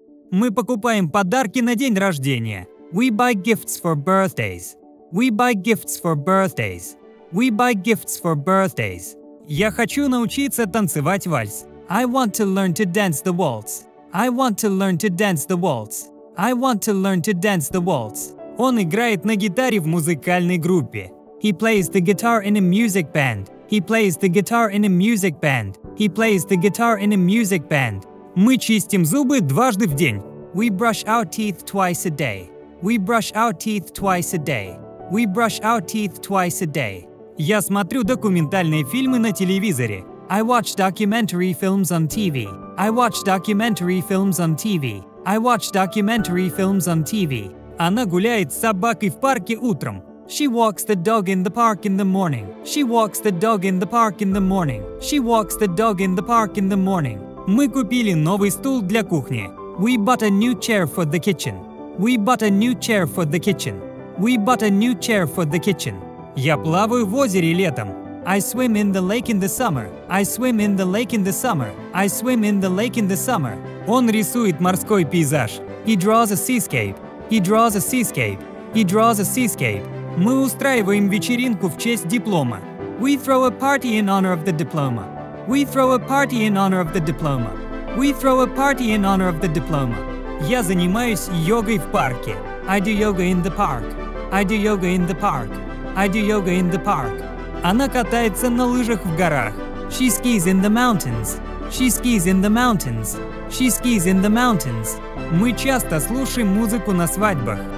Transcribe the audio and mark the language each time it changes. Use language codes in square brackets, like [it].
[ru] Мы покупаем подарки на день рождения. [en] We buy gifts for birthdays. We buy gifts for birthdays. We buy gifts for birthdays. [ru] Я хочу научиться танцевать вальс. [en] I want to learn to dance the waltz. I want to learn to dance the waltz. I want to learn to dance the waltz. [ru] Он играет на гитаре в музыкальной группе. [en] He plays the guitar in a music band. He plays the guitar in a music band. He plays the guitar in a music band. [ru] Мы чистим зубы дважды в день. [en] We brush our teeth twice a day. We brush our teeth twice a day. We brush our teeth twice a day. [ru] Я смотрю документальные фильмы на телевизоре. [en] I watch documentary films on TV. I watch documentary films on TV. I watch documentary films on TV. [ru] Она гуляет с собакой в парке утром. [en] She walks the dog in the park in the morning. She walks the dog in the park in the morning. She walks the dog in the park in the morning. [ru] Мы купили новый стул для кухни. [en] We bought a new chair for the kitchen. We bought a new chair for the kitchen. We bought a new chair for the kitchen. [ru] Я плаваю в озере летом. [en] I swim in the lake in the summer. I swim in the lake in the summer. I swim in the lake in the summer. [ru] Он рисует морской пейзаж. [en] He draws a seascape. He draws a seascape. He draws a seascape. [ru] Мы устраиваем вечеринку в честь диплома. [en] We throw a party in honor of the diploma. We throw a party in honor of the diploma. We throw a party in honor of the diploma. [ru] Я занимаюсь йогой в парке. [en] I do yoga in the park. I do yoga in the park. I do yoga in the park. [ru] Она катается на лыжах в горах. [en] She skis in the mountains. She skis in the mountains. She skis in the mountains. [ru] Мы часто слушаем музыку на свадьбах.